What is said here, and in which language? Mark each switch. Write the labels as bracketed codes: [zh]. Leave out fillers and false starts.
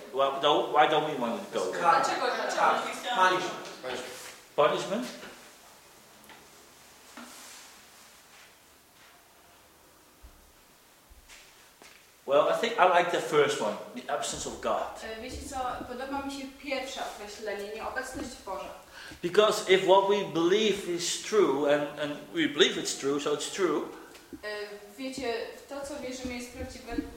[en] Why don't we want to go there? Punishment. Well, I think I like the first one, the absence of God. [pl] Wiecie co, podoba mi się pierwsze określenie, nieobecność Boża. [en] Because if what we believe is true, and we believe it's true, so it's true. [pl] Wiecie, w to co wierzymy jest prawdziwe.